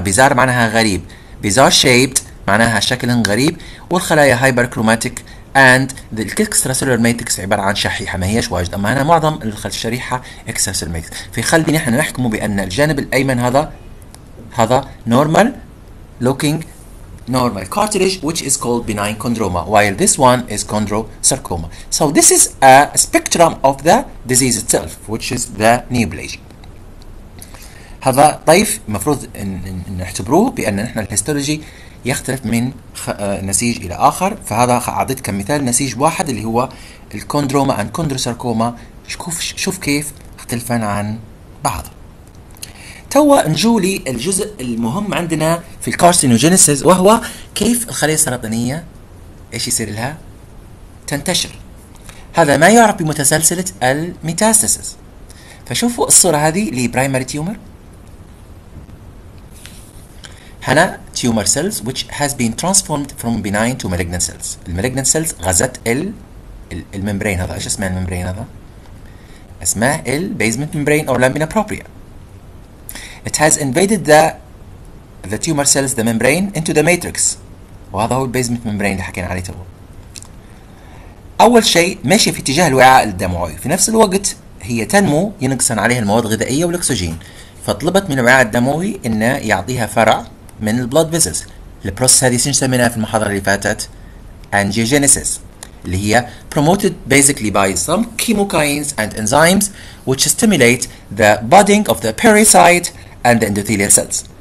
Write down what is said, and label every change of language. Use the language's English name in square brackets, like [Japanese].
[Arabic] بيزار معناها غريب، بيزار شيبت معناها شكلهن غريب، والخلايا هايبر كروماتيك اند الاكسترا سيلولار ماتريكس عبارة عن شحيحة ما هياش واجدة. اما انا معظم الشريحة اكسترا سيلولار ماتريكس، فيخلي نحن نحكمه بان الجانب الايمن هذا نورمال لوكينج [English] normal cartilage which is called benign chondroma, while this one is chondrosarcoma. So this is a spectrum of the disease itself, which is the neoplasia. [Arabic] هذا طيف مفروض نعتبروه بأن نحن الهيستولوجي يختلف من نسيج إلى آخر. فهذا أعطيت كمثال نسيج واحد اللي هو الكوندروما عن كوندروساركوما. شوف كيف اختلفان عن بعض. توا نجو للجزء المهم عندنا في الكارسينوجينيسيس، وهو كيف الخلايا السرطانية ايش يصير لها تنتشر. هذا ما يعرف بمتسلسلة الميتاستاسيس. فشوفوا الصورة هذه لبرايمري تيومر. هنا تيومر سيلز [English] which has been transformed from benign to malignant cells. [Arabic] المالجنان سيلز غزت الممبرين هذا. ايش اسمه الممبرين هذا؟ اسمه البيزمنت ممبرين او لامينا بروبريا. [English] It has invaded the tumor cells, the membrane, into the matrix. [Arabic] وهذا هو البيزمنت ممبرين اللي حكينا عليه تو. أول شيء ماشي في اتجاه الوعاء الدموي، في نفس الوقت هي تنمو ينقصن عليها المواد الغذائية والأكسجين. فطلبت من الوعاء الدموي إنه يعطيها فرع من البلود فيسلز. البروسيس هذه سميناها في المحاضرة اللي فاتت أنجيوجينيسيس، اللي هي [English] promoted basically by some chemokines and enzymes which stimulate the budding of the pericyte and the endothelial cells.